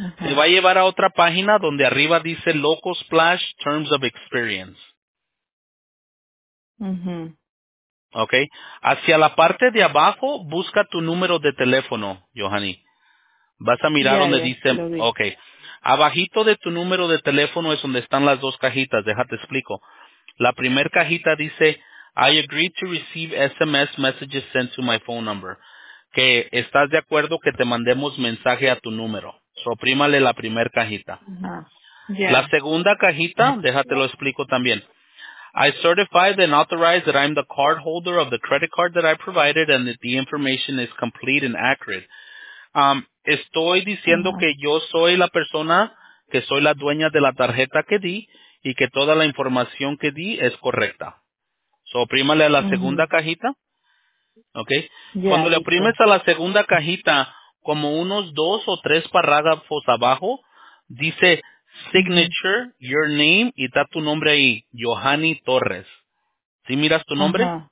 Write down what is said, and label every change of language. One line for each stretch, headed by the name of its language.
Spanish: Te va a llevar a otra página donde arriba dice Local Splash Terms of Experience. Okay. Hacia la parte de abajo, busca tu número de teléfono, Johanny. Vas a mirar donde dice... Okay. Abajito de tu número de teléfono es donde están las 2 cajitas. Déjate explico. La primer cajita dice,
English: "I agree to receive SMS messages sent to my phone number."
Spanish: Que estás de acuerdo que te mandemos mensaje a tu número. Oprímale la primer cajita. La segunda cajita, déjate lo explico también.
English: "I certified and authorized that I'm the cardholder of the credit card that I provided and that the information is complete and accurate."
Spanish: Estoy diciendo que yo soy la persona que soy la dueña de la tarjeta que di y que toda la información que di es correcta. Oprímale a la segunda cajita. Okay. Cuando le oprimes a la segunda cajita, como unos 2 o 3 párrafos abajo, dice
English: signature, your name,
Spanish: y está tu nombre ahí, Johanny Torres. ¿Sí miras tu nombre?